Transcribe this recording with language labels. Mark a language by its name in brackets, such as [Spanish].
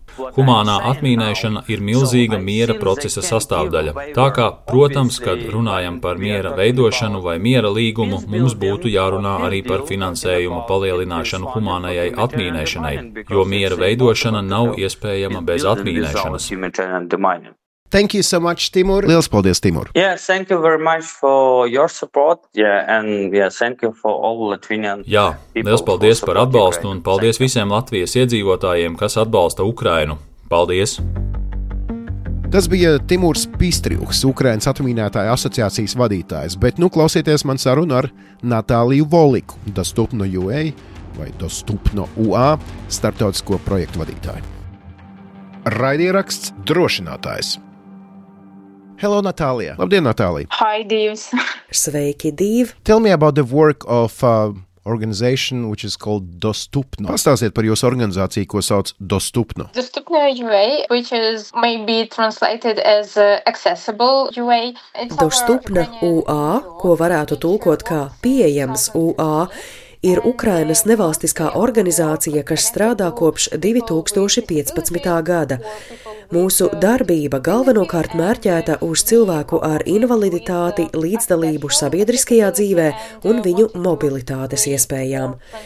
[Latvian] Humānā atmīnēšana ir milzīga miera procesa sastāvdaļa. Tā kā, protams, kad runājam par miera veidošanu vai miera līgumu, mums būtu jārunā arī par finansējumu palielināšanu humānajai atmīnēšanai, jo miera veidošana nav iespējama bez atmīnēšanas. [English] Thank you so much, Timur. [Latvian] Liels paldies, Timur. [English] Yeah, thank you very much for your support. Yeah, and yeah, thank you for all Latvian. [Latvian] Jā, liels paldies par atbalstu un paldies visiem Latvijas iedzīvotājiem, kas atbalsta Ukrainu. Paldies. Tas bija Timurs Pistriuks, Ukrainas atmīnētāja asociācijas vadītājs, bet nu klausieties man sarunu ar Natāliju Voliku, Dostupno UA vai Dostupno UA, starptautisko projektu vadītāju. Raidieraksts drošinātājs. [English] Hello, Natalia. [Latvian] Labdien, [English] Natalia. Hi, Divs. [Latvian] Sveiki, Div. [English] Tell me about the work of organization which is called Dostupno. [Latvian] Pastāstiet par jūsu organizāciju, ko sauc Dostupno. [English] Dostupno UA, which is maybe translated as accessible UA. [Latvian] Dostupno UA, ko varētu tulkot kā pieejams UA, ir Ukrainas nevalstiskā organizācija, kas strādā kopš 2015. Gada. Mūsu darbība galvenokārt mērķēta uz cilvēku ar invaliditāti, līdzdalību sabiedriskajā dzīvē un viņu mobilitātes iespējām.